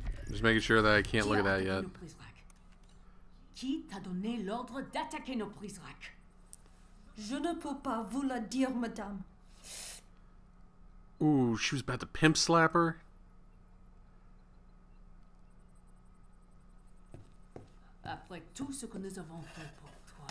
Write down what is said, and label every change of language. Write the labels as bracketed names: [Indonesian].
[English] Just making sure that I can't look at that yet. [French] Qui t'a donné l'ordre d'attaquer nos Prizrak? Je ne peux pas vous le dire, madame. [English] Ooh, she was about to pimp slap her. [French] Après tout ce que nous avons fait pour toi.